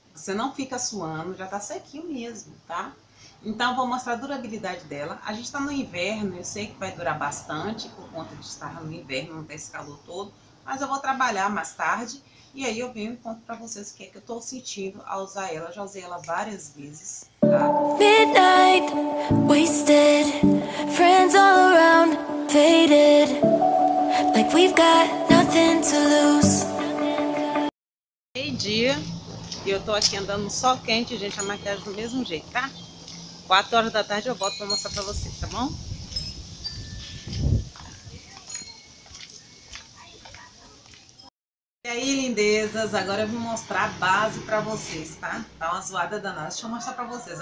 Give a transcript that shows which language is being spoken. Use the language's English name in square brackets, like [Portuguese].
[Portuguese] Você não fica suando, já tá sequinho mesmo, tá? Então, vou mostrar a durabilidade dela. A gente tá no inverno, eu sei que vai durar bastante por conta de estar no inverno, não ter esse calor todo, mas eu vou trabalhar mais tarde e aí eu venho e conto pra vocês o que é que eu tô sentindo ao usar ela. Já usei ela várias vezes, tá? [English] Midnight wasted, friends all around faded, like we've got nothing to lose. [Portuguese] Meio-dia e eu tô aqui andando no sol quente, gente. A maquiagem do mesmo jeito, tá? 4 horas da tarde eu volto pra mostrar pra vocês, tá bom? E aí, lindezas, agora eu vou mostrar a base pra vocês, tá? Tá uma zoada danada. Deixa eu mostrar pra vocês.